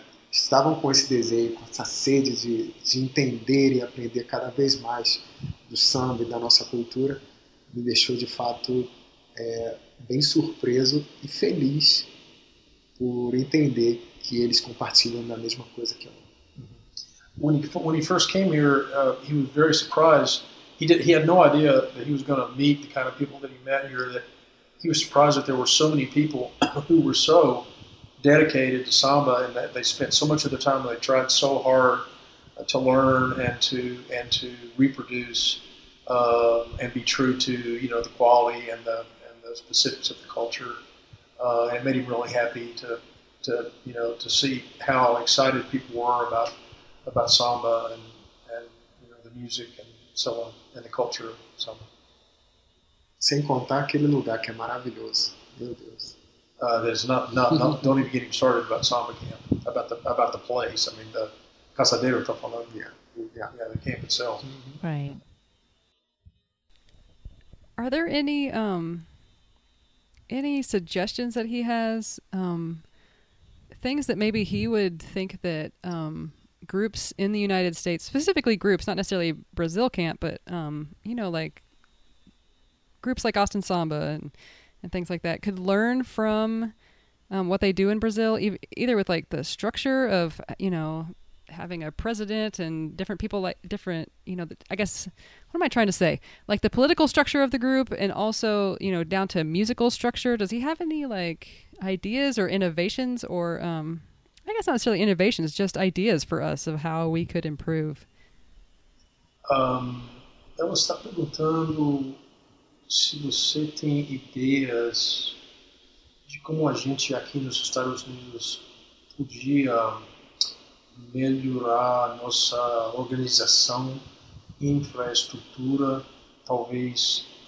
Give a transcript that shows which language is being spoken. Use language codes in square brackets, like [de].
[pt] estavam com esse desejo, com essa sede de entender e aprender cada vez mais do samba e da nossa cultura, me deixou de fato bem surpreso e feliz por entender que eles compartilham da mesma coisa que eu. [en] When he first came here, he was very surprised. He had no idea that he was going to meet the kind of people that he met here. That he was surprised that there were so many people who were so dedicated to samba and that they spent so much of their time. They tried so hard to learn and to reproduce and be true to, you know, the quality and the specifics of the culture, and it made him really happy to you know, to see how excited people were about samba and you know, the music and so on and the culture of samba. [pt] Sem contar aquele lugar que é maravilhoso, meu Deus. [en] There's not don't even get him started about samba camp, about the place. I mean, the Casadeiro [pt] está falando, [en] yeah, the camp itself. Mm-hmm. Right. Are there any suggestions that he has, things that maybe he would think that groups in the United States, specifically groups, not necessarily Brazil Camp, but, you know, like groups like Austin Samba and things like that could learn from what they do in Brazil, either with like the structure of, you know, having a president and different people, like different, you know, I guess, what am I trying to say? Like the political structure of the group and also, you know, down to musical structure. Does he have any like ideas or innovations or, I guess not necessarily innovations, just ideas for us of how we could improve? [pt] Eu estava perguntando se você tem ideias de como a gente aqui nos Estados Unidos podia melhorar nossa organização, infraestrutura, talvez